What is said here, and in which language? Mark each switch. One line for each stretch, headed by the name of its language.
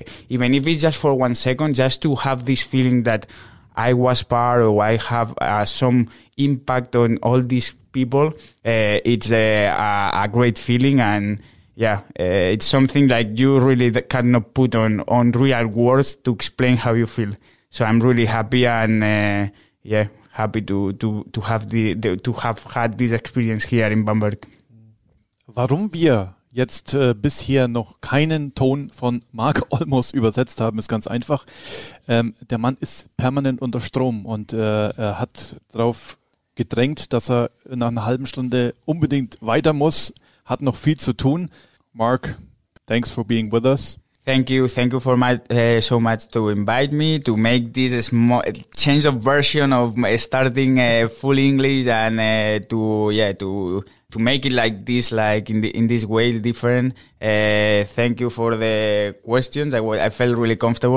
English: Even if it's just for 1 second, just to have this feeling that I was part, or I have some impact on all these people, it's a great feeling. And yeah, it's something like you really cannot put on real words to explain how you feel. So I'm really happy and happy to have had this experience here in Bamberg.
German: Warum wir jetzt bisher noch keinen Ton von Marc Olmos übersetzt haben, ist ganz einfach. Der Mann ist permanent unter Strom und er hat darauf gedrängt, dass er nach einer halben Stunde unbedingt weiter muss, hat noch viel zu tun.
English: Mark, thanks for being with us. Thank you. Thank you for so much to invite me to make this change of version of starting full English and to make it like this, like in this way different. Thank you for the questions. I felt really comfortable.